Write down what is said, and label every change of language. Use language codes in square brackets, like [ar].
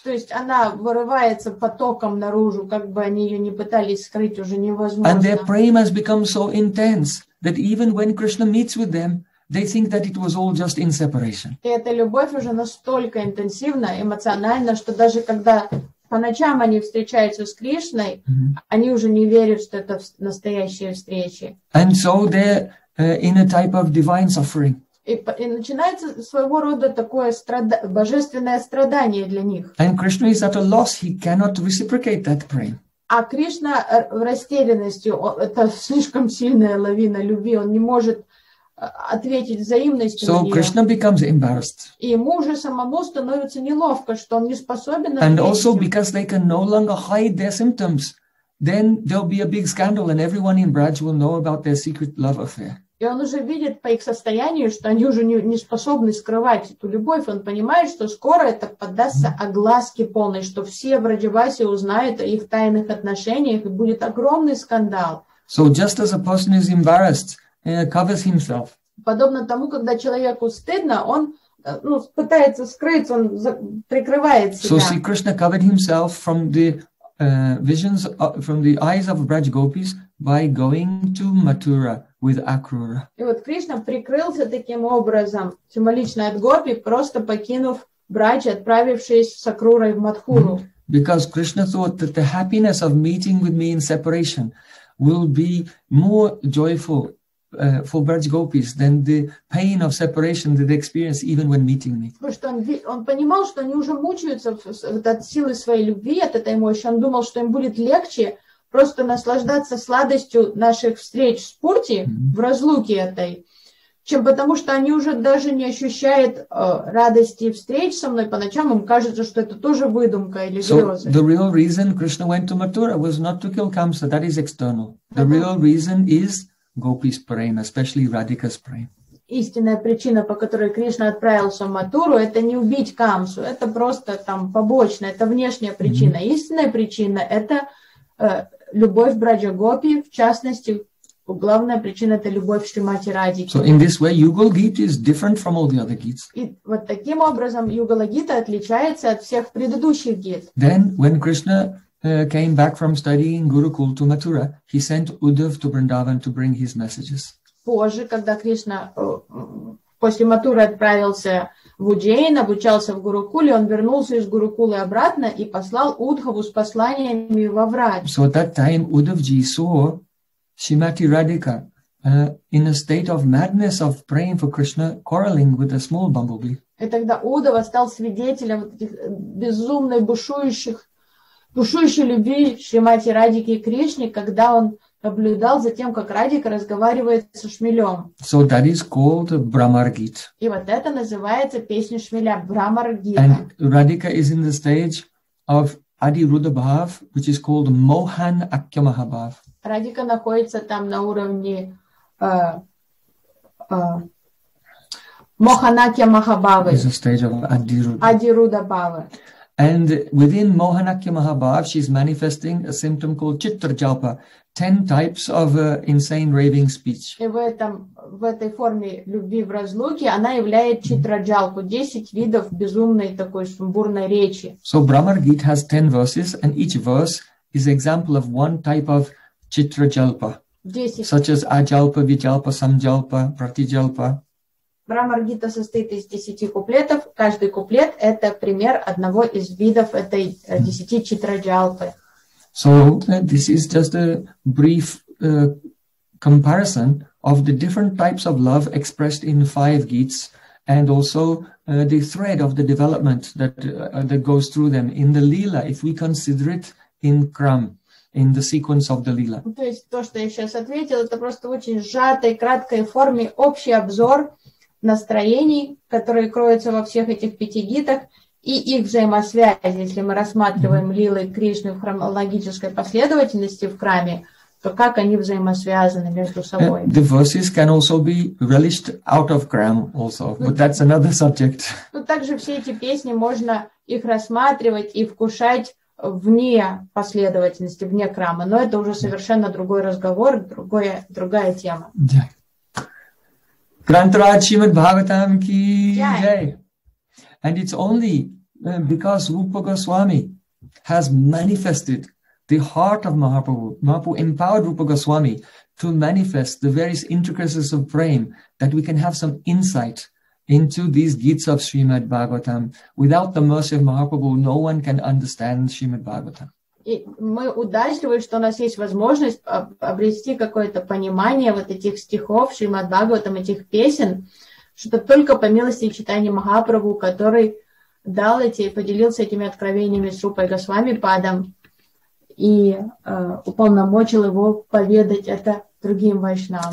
[ru] То есть она вырывается потоком наружу, как бы они ее не пытались скрыть, уже невозможно. [en] And their prema has become so intense that even when Krishna meets with them, they think that it was all just in separation. [ru] И эта любовь уже настолько интенсивна, эмоциональна, что даже когда по ночам они встречаются с Кришной, они уже не верят, что это настоящие встречи. [en] And so they're in a type of divine suffering. [ru] И начинается своего рода такое божественное страдание для них. [en] And Krishna is at a loss. He cannot reciprocate that prayer. [ru] А Кришна в растерянности. Это слишком сильная лавина любви. Он не может ответить взаимностью. [en] So Krishna becomes embarrassed. [ru] И ему уже самому становится неловко, что он не способен. [en] And also because they can no longer hide their symptoms, then there'll be a big scandal, and everyone in Braj will know about their secret love affair. [ru] И он уже видит по их состоянию, что они уже не способны скрывать эту любовь. Он понимает, что скоро это поддастся огласке полной, что все в Раджавасе узнают о их тайных отношениях, и будет огромный скандал. [en] So just as a person is embarrassed, covers himself. [ru] Подобно тому, когда человеку стыдно, он пытается скрыться, он прикрывает себя. [en] So Sri Krishna covered himself from the visions from the eyes of Braj Gopis by going to Mathura with Akrura. [ru] И вот Кришна прикрылся таким образом, символично от Гопи, просто покинув Брадж, отправившись с Акрурой в Матхуру. [en] Because Krishna thought that the happiness of meeting with me in separation will be more joyful for Braj Gopis than the pain of separation that they experience even when meeting me. [ru] Потому что он понимал, что они уже мучаются от силы своей любви, от этой мощи. Он думал, что им будет легче просто наслаждаться сладостью наших встреч в спорте, в разлуке этой, чем потому, что они уже даже не ощущают радости встреч со мной по ночам. Им кажется, что это тоже выдумка или грезы. [en] So the real reason Krishna went to Mathura was not to kill Kamsa. That is external. The real reason is Gopi's prema, especially Radhika's prema. [ru] Истинная причина, по которой Кришна отправился в Матуру, это не убить Камсу, это просто там побочная, это внешняя причина. Истинная причина – это любовь Браджа Гопи, в частности, главная причина – это любовь Шримати Радхики. [en] So in this way, Yugalgita is different from all the other gits. [ru] И вот таким образом Югалагита отличается от всех предыдущих гит. [en] Then, when Krishna came back from studying Gurukul to Mathura, he sent Uddhav to Vrindavan to bring his messages. [ru] Позже, когда Кришна после Матуры отправился в Уджейн, обучался в Гурукуле, он вернулся из Гурукулы обратно и послал Удхаву с посланиями во Врадж. [en] So at that time Uddhavji saw Shrimati Radhika in a state of madness of praying for Krishna, quarreling with a small bumblebee. [ru] И тогда Удхава стал свидетелем этих безумных бушующей любви Шримати Радики и Кришне, когда он наблюдал за тем, как Радика разговаривает со шмелем. [en] So that is called Brahmargit. [ru] И вот это называется песня шмеля Брахмаргита. [en] And Radhika is in the stage of Adi Ruda Bhav, which is called Mohan Akya Mahabhav. [ru] Радика находится там на уровне Mohan Akya Mahabhava. [en] Is the stage of Adi Ruda Bhava. And within Mohanakya Mahabhav, she's manifesting a symptom called Chittarjalpa, 10 types of insane raving speech. [ru] И в этой форме любви в разлуке она являет Читраджалпу, 10 видов безумной такой сумбурной речи. [en] So Brahmargita has 10 verses, and each verse is an example of one type of Chittarjalpa, such as Ajalpa, Vijalpa, Samjalpa, Pratijalpa. [ru] Брахмаргита состоит из 10 куплетов. Каждый куплет – это пример одного из видов этой 10 читраджалпы. [en] So this is just a brief comparison of the different types of love expressed in 5 gits And also the thread of the development that that goes through them in the Lila, if we consider it in Kram, in the sequence of the Lila. [ru] То есть то, что я сейчас ответил, это просто очень сжатой, краткой форме общий обзор настроений, которые кроются во всех этих пяти гитах и их взаимосвязи. Если мы рассматриваем Лилы и Кришну в хронологической последовательности в Краме, то как они взаимосвязаны между собой? [en] The verses can also be relished out of Kram also, but that's another subject. [ru] Ну, также все эти песни можно их рассматривать и вкушать вне последовательности, вне Крама, но это уже совершенно другой разговор, другая тема. [hi] Грантра Чимат Бхагаватам Ки Джай. [en] And it's only because Rupa Goswami has manifested the heart of Mahaprabhu. Mahaprabhu empowered Rupa Goswami to manifest the various intricacies of Prem that we can have some insight into these gits of Srimad Bhagavatam. Without the mercy of Mahaprabhu, no one can understand Srimad Bhagavatam. [ru] И мы удачливы, что у нас есть возможность обрести какое-то понимание вот этих стихов Шримад Бхагаватам, этих песен, что только по милости и читанию Махапрабху, который дал эти, поделился этими откровениями с Рупой Госвами Падом и уполномочил его поведать это другим вайшнавам.